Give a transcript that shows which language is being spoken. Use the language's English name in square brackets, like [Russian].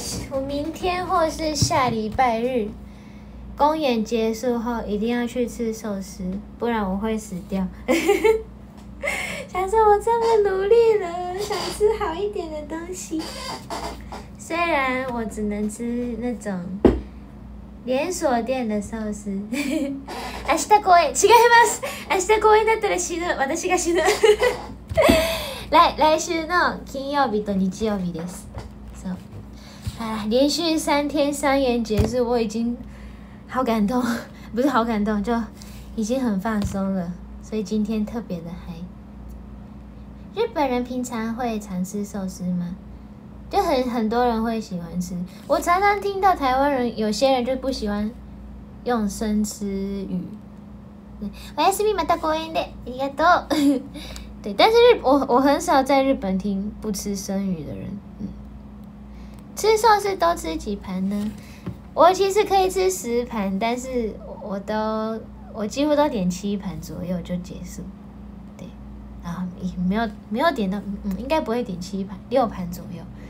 [Chinese] 我明天或是下礼拜日公演结束后一定要去吃寿司，不然我会死掉。想说我这么努力了，想吃好一点的东西，虽然我只能吃那种连锁店的寿司。 [Japanese] 明日公演違います。明日公演だったら死ぬ。私が死ぬ。来週の金曜日と日曜日です。そう。 [Chinese] 啊，连续三天三元节日，我已经好感动，不是好感动，就已经很放松了，所以今天特别的嗨。日本人平常会常吃寿司吗？就很多人会喜欢吃，我常常听到台湾人有些人就不喜欢用生吃鱼。 [Japanese] おやすみ、また公園で、ありがとう。 [Chinese] 对，但是我很少在日本听不吃生鱼的人。吃寿司都吃几盘呢？我其实可以吃十盘，但是我几乎都点七盘左右就结束。对，然后没有点到，应该不会点七盘，六盘左右。